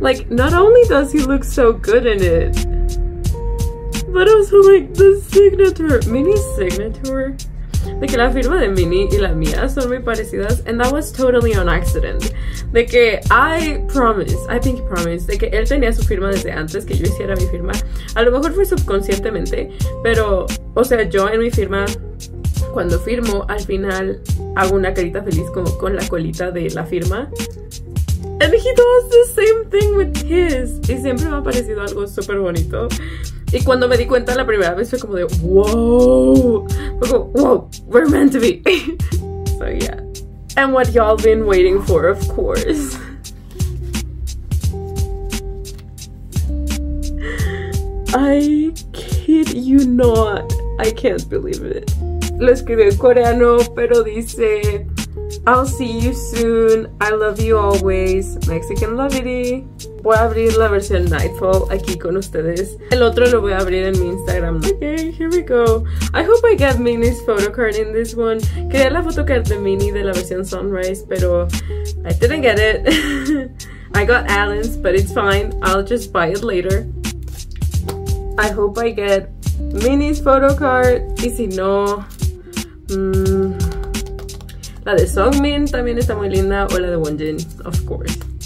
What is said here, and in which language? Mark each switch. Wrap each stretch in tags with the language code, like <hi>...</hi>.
<en>Like, not only does he look so good in it, but also like the signature, mini signature.</en> <es>De que la firma de Minnie y la mía son muy parecidas.</es> <en>And that was totally on accident.</en> <es>De que</es> <en>I pinky promise,</en> <es>de que él tenía su firma desde antes que yo hiciera mi firma. A lo mejor fue subconscientemente, pero, o sea, yo en mi firma, cuando firmo, al final hago una carita feliz como con la colita de la firma.</es> <en>And he does the same thing with his.</en> <es>Y siempre me ha parecido algo súper bonito. Y cuando me di cuenta la primera vez fue como de wow. Fue como</es> <en>wow, we're meant to be. So yeah. And what y'all been waiting for, of course. I kid you not. I can't believe it.</en> <es>Lo escribió en coreano, pero dice,</es> <en>I'll see you soon. I love you always. Mexican lovity.</en> <es>Voy a abrir la versión Nightfall aquí con ustedes. El otro lo voy a abrir en mi Instagram.</es> <en>Okay, here we go. I hope I get Minnie's photo card in this one.</en> <es>Quería la photo card de Minnie de la versión Sunrise, pero</es> <en>I didn't get it. I got Alan's, but it's fine. I'll just buy it later. I hope I get Minnie's photo card.</en> <es>Y si no, la de Songmin también está muy linda, o la de Wonjin,</es> <en>of course.</en>